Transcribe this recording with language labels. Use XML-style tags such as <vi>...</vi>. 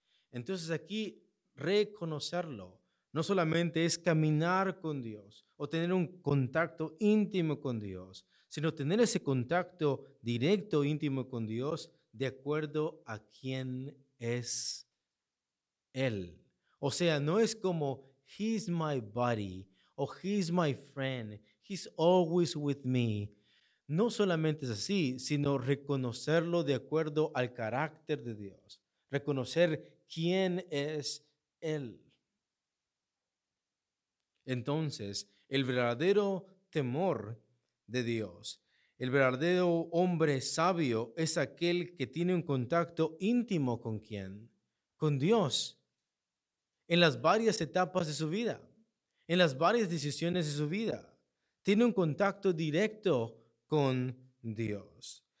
<es>Entonces aquí, reconocerlo, no solamente es caminar con Dios o tener un contacto íntimo con Dios, sino tener ese contacto directo, íntimo con Dios de acuerdo a quién es Él. O sea, no es como</es> <en>He's my buddy o He's my friend, He's always with me.</en> <es>No solamente es así, sino reconocerlo de acuerdo al carácter de Dios. Reconocer quién es Él. Entonces, el verdadero temor de Dios, el verdadero hombre sabio es aquel que tiene un contacto íntimo con quién, con Dios, en las varias etapas de su vida, en las varias decisiones de su vida, tiene un contacto directo con Dios.</es>